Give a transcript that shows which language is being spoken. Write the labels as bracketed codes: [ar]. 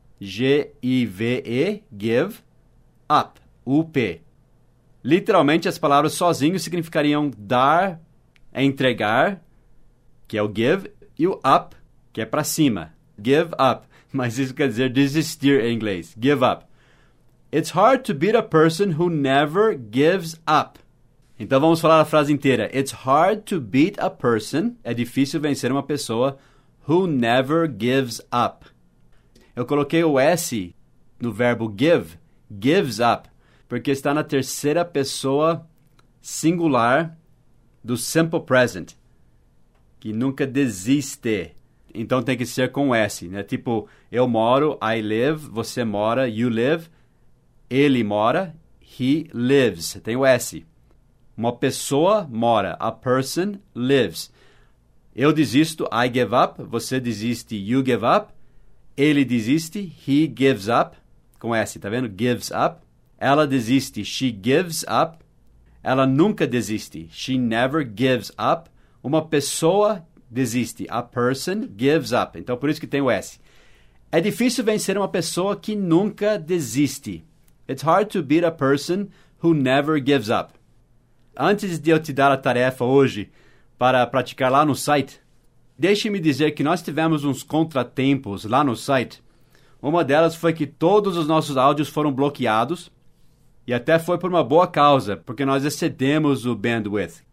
[en] G-I-V-E, give up. U-P. [pt] Literalmente, as palavras sozinhas significariam dar, entregar, que é o give, e o up, que é para cima. [en] Give up. [pt] Mas isso quer dizer desistir em inglês. [en] Give up. It's hard to beat a person who never gives up. [pt] Então vamos falar a frase inteira. [en] It's hard to beat a person. [pt] É difícil vencer uma pessoa [en] who never gives up. [pt] Eu coloquei o S no verbo give. Gives up. Porque está na terceira pessoa singular do simple present. Que nunca desiste. Então tem que ser com S, né? Tipo, eu moro, [en] I live, [pt] você mora, [en] you live. [pt] Ele mora, [en] he lives, [pt] tem o S. Uma pessoa mora, [en] a person lives. [pt] Eu desisto, [en] I give up, [pt] você desiste, [en] you give up. [pt] Ele desiste, [en] he gives up, [pt] com S, tá vendo? [en] Gives up. [pt] Ela desiste, [en] she gives up. [pt] Ela nunca desiste, [en] she never gives up. [pt] Uma pessoa desiste, [en] a person gives up. [pt] Então, por isso que tem o S. É difícil vencer uma pessoa que nunca desiste. [en] It's hard to beat a person who never gives up. [pt] Antes de eu te dar a tarefa hoje para praticar lá no site, deixe-me dizer que nós tivemos uns contratempos lá no site. Uma delas foi que todos os nossos áudios foram bloqueados e até foi por uma boa causa, porque nós excedemos o bandwidth.